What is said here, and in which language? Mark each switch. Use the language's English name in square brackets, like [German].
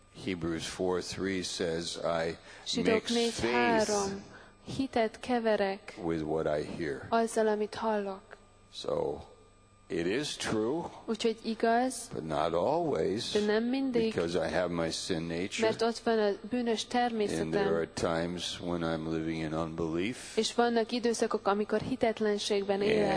[English] Hebrews 4:3 says, I [Hungarian] Zsidók [English] mix Faith [Hungarian] hitet keverek [English] with what I hear. [Hungarian] Azzal, amit hallok. [English] So, it is true. [Hungarian] Úgyhogy igaz. [English] But not always. [Hungarian] De nem mindig. [English] Because I have my sin nature. [Hungarian] Mert ott van a bűnös természetem. [English] And there are times when I'm living in unbelief. [Hungarian] És vannak időszakok, amikor hitetlenségben élek.